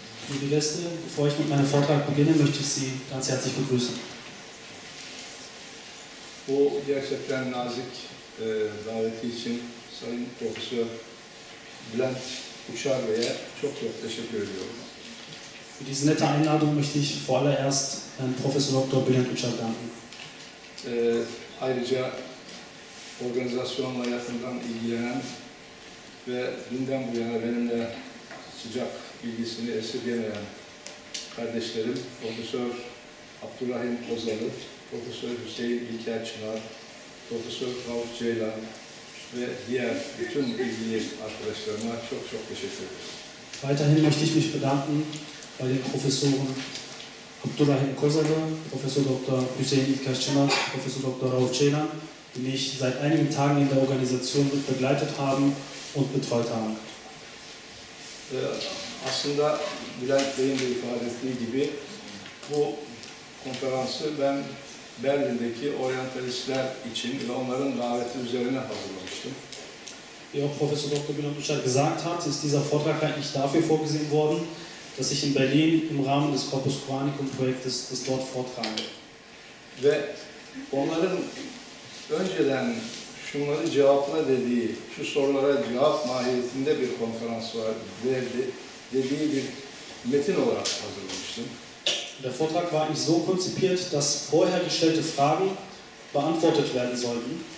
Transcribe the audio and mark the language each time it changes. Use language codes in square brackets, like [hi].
[de] Bevor ich mit meinem Vortrag beginne, möchte ich Sie ganz herzlich begrüßen. [tr] Bu gerçekten nazik daveti için Sayın Profesör Bülent Uçar Bey'e çok çok teşekkür ediyorum. [de] Für diese nette Einladung möchte ich vorallererst Herrn Professor Dr. Bülent Uçar danken. [tr] Ayrıca organizasyon hayatından ilgilenen ve dünden bu yana benimle sıcak bilgisini esirgemeyen kardeşlerim Profesör Abdurrahim Ozalı, Profesör Hüseyin İlker Çınar, Profesör Rauf Ceylan ve diğer bütün ilgili arkadaşlarıma çok çok teşekkür ederim. [de] Weiterhin möchte ich mich bedanken bei den Professoren Abdurrahim Kozada, Professor Dr. Hüseyin İlker Çınar, Professor Dr. Rauf Ceylan, die mich seit einigen Tagen in der Organisation begleitet haben und betreut haben. [tr] Aslında Bülent Bey'in de ifade ettiği gibi bu konferansı ben Berlin'deki oryantalistler için ve onların daveti üzerine hazırlamıştım. [de] Wie auch Professor Dr. Bülent Uçar gesagt hat, ist dieser Vortrag eigentlich dafür vorgesehen worden, dass ich in Berlin im Rahmen des Corpus Quranicum Projektes das dort vortrage. [tr] Ve onların önceden şunları cevapla dediği, şu sorulara cevap mahiyetinde bir konferans verdi dediği bir metin olarak hazırlamıştım. [de] Der Vortrag war eigentlich so konzipiert, dass vorher gestellte Fragen beantwortet werden sollten.